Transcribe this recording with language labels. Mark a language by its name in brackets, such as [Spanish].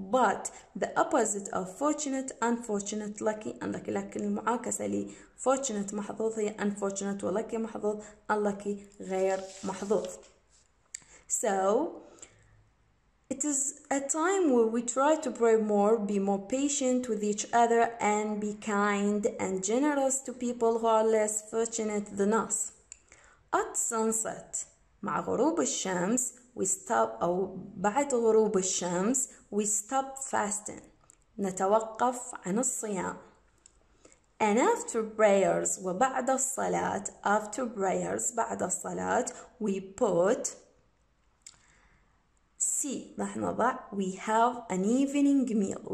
[English] But the opposite of fortunate, unfortunate, lucky, unlucky. [Arabic] لكن المعاكسة لي fortunate محظوظ هي unfortunate, ولكي محظوظ, unlucky غير محظوظ. [English] So it is a time where we try to pray more, be more patient with each other, and be kind and generous to people who are less fortunate than us. At sunset, مع غروب الشمس, we stop, أو بعد غروب الشمس, we stop fasting. نتوقف عن الصيام. And after prayers, وبعد الصلاة, after prayers, بعد الصلاة, we put see, راح نضع we have an evening meal.